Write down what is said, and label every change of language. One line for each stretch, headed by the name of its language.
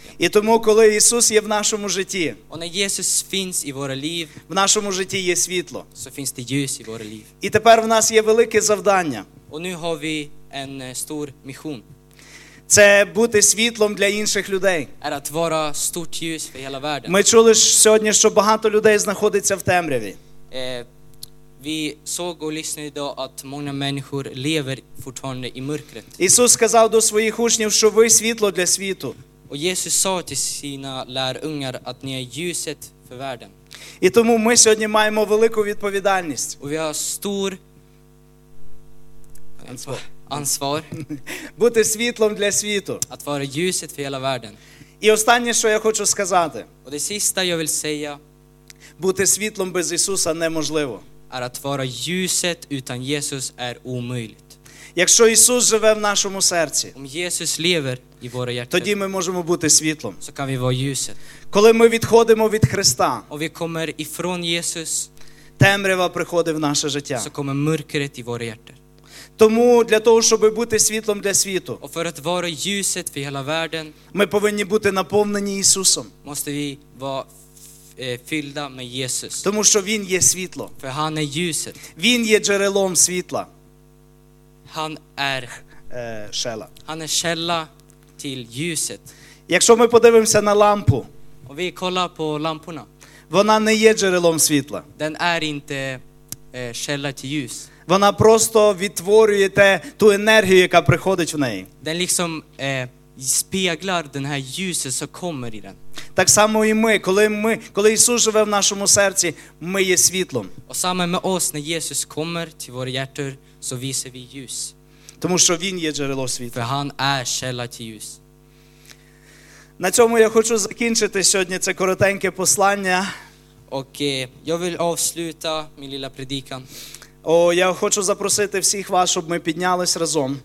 Ukrainian: І тому, коли Ісус є в нашому житті,
Swedish: Och när Jesus finns i våra liv,
Ukrainian: в нашому житті є світло.
Swedish: So finns det ljus i våra liv.
Ukrainian: І тепер в нас є велике завдання.
Swedish: Och nu har vi en stor mission.
Ukrainian: Це бути світлом для інших людей.
Swedish: Är att vara stort ljus för hela världen.
Ukrainian: Ми чули сьогодні, що багато людей знаходиться в темряві.
Swedish: Vi såg och lyssnade idag att många människor lever fortfarande i mörkret.
Ukrainian: Ісус сказав до своїх учнів, що ви світло для світу.
Swedish: Och Jesus sa till sina lärjungar att ni är ljuset för världen.
Ukrainian: І тому ми сьогодні маємо велику відповідальність.
Swedish: Och vi har stor ansvar.
Ukrainian: Бути світлом для світу.
Swedish: Att vara ljuset för hela världen.
Ukrainian: І останнє, що я хочу сказати.
Swedish: Och det sista jag vill säga.
Ukrainian: Бути світлом без Ісуса неможливо.
Swedish: Är att vara ljuset utan Jesus är omöjligt.
Ukrainian: Якщо Ісус живе в нашому серці,
Swedish: Om Jesus lever i våra hjärtan,
Ukrainian: тоді ми можемо бути світлом.
Swedish: Så kan vi vara ljuset.
Ukrainian: Коли ми відходимо від Христа,
Swedish: Och vi kommer ifrån Jesus,
Ukrainian: темрява приходить в наше життя.
Swedish: Så kommer mörkret i våra hjärtan.
Ukrainian: Тому для того, щоб бути світлом для світу,
Swedish: Och för att vara ljuset för hela världen,
Ukrainian: ми повинні бути наповнені Ісусом.
Swedish: Måste vi vara fyllda med Jesus.
Ukrainian: Тому що він є світло.
Swedish: För han är ljuset.
Ukrainian: Він є джерелом світла.
Swedish: Han är källa. Han är källa till ljuset.
Ukrainian: Якщо ми подивимося на лампу,
Swedish: Och vi kollar på lamporna.
Ukrainian: Вона не є джерелом світла.
Swedish: Den är inte källa till ljus.
Ukrainian: Вона просто відтворює ту енергію, яка приходить в неї.
Swedish: Den liksom speglar den här ljuset som kommer i den.
Ukrainian: Так само і ми, коли Ісус живе в нашому серці, ми є світлом.
Swedish: Och samma med oss när Jesus kommer till våra hjärtan så visar vi ljus.
Ukrainian: Тому що він є джерело світла.
Swedish: Han er kjellet til lys.
Ukrainian: На цьому я хочу закінчити сьогодні це коротеньке послання.
Swedish: Okay, jag vill avsluta min lilla predikan.
Ukrainian: О, я хочу запросити всіх вас, щоб ми піднялись разом.